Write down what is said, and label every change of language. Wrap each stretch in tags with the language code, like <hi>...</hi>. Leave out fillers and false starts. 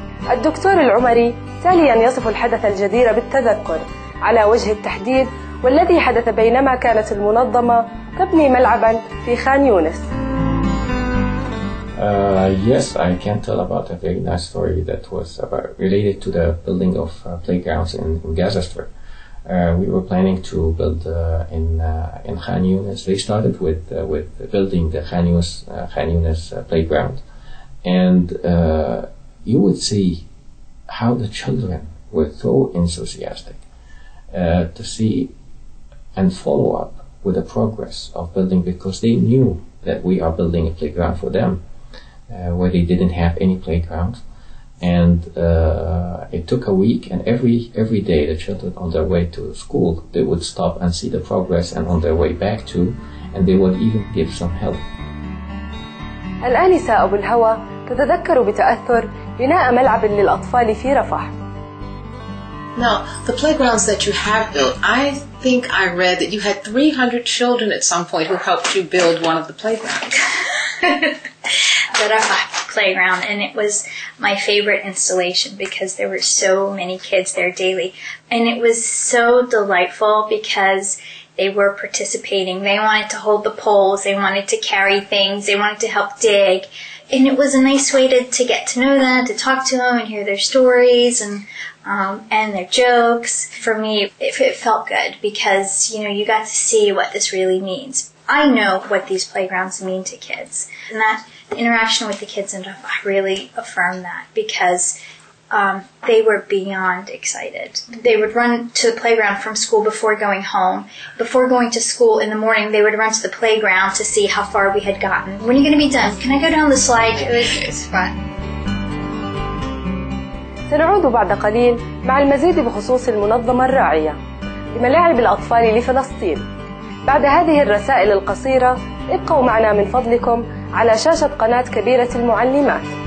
<ar>الدكتور العمري تاليا يصف الحدث الجدير بالتذكر على وجه التحديد والذي حدث بينما كانت المنظمة تبني ملعبا في خان يونس.</ar> <en>Yes, I can tell about a very nice story that was about related to the building of playgrounds in Gaza Strip. We were planning to build in Khan Yunis. They started with building the Khan Yunis playground, and you would see how the children were so enthusiastic to see and follow up with the progress of building, because they knew that we are building a playground for them. Where they didn't have any playground, and it took a week, and every day the children on their way to school, they would stop and see the progress, and on their way back too, and they would even give some help.</en> <ar>الآنسة أبو الهوى تتذكر بتأثر بناء ملعب للأطفال في رفح.</ar> <en>Now, the playgrounds that you have built, I think I read that you had 300 children at some point who helped you build one of the playgrounds. The Rafah playground, and it was my favorite installation because there were so many kids there daily, and it was so delightful because they were participating. They wanted to hold the poles, they wanted to carry things, they wanted to help dig, and it was a nice way to get to know them, to talk to them and hear their stories and their jokes. For me, it felt good because, you know, you got to see what this really means. I know what these playgrounds mean to kids, and that interaction with the kids in Rafah really affirmed that, because they were beyond excited. They would run to the playground from school before going home. Before going to school in the morning, they would run to the playground to see how far we had gotten. When are you going to be done? Can I go down the slide? It was fun.</en> <ar>سنعود بعد قليل مع المزيد بخصوص المنظمة الراعية لملاعب الأطفال لفلسطين. بعد هذه الرسائل القصيرة ابقوا معنا من فضلكم على شاشة قناة كبيرة المعلمات.</ar>